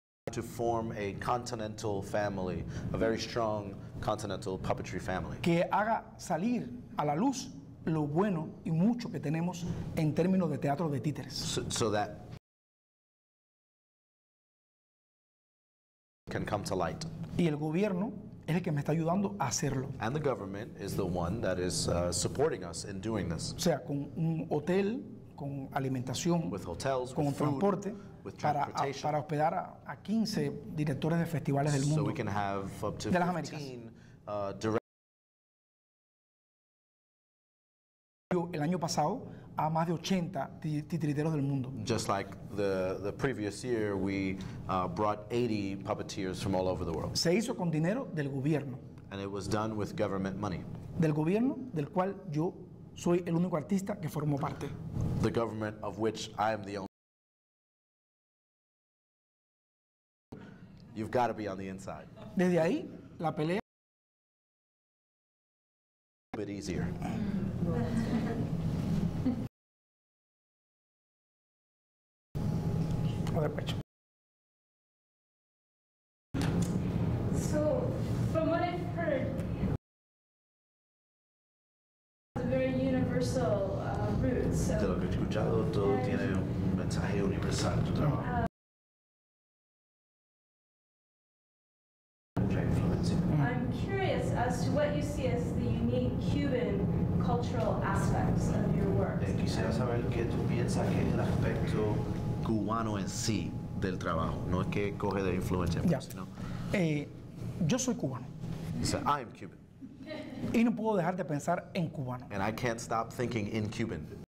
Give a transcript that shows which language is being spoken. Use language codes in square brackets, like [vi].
[en] To form a continental family, a very strong continental puppetry family. [es] Que haga salir a la luz lo bueno y mucho que tenemos en términos de teatro de títeres. [en] So that can come to light. [es] Y el gobierno es el que me está ayudando a hacerlo. [en] And the government is the one that is supporting us in doing this. [es] O sea, con un hotel, con alimentación, [en] with hotels, [es] con [en] with [es] transporte, [en] food, with transportation. [es] Para hospedar a 15 directores de festivales del mundo. [en] So we can have up to 15 directors. [es] El año pasado a más de 80 titiriteros del mundo. [en] Just like the previous year, we brought 80 puppeteers from all over the world. [es] Se hizo con dinero del gobierno. [en] And it was done with government money. [es] Del gobierno del cual yo soy el único artista que formó parte. [en] The government of which I am the only. You've got to be on the inside. [es] Desde ahí, la pelea. [en] A bit easier. So, from what I've heard, it's a very universal root. So, [es] de lo que he escuchado, todo tiene un mensaje universal. Tu trabajo. [en] I'm curious as to what you see as the unique Cuban cultural aspects of your work. [es] Quisiera saber qué tú piensas que es el aspecto cubano en sí del trabajo, no es que coge de influencia, sino. Yo soy cubano. [en] So, I am Cuban. [es] Y no puedo dejar de pensar en cubano. [en] And I can't stop thinking in Cuban.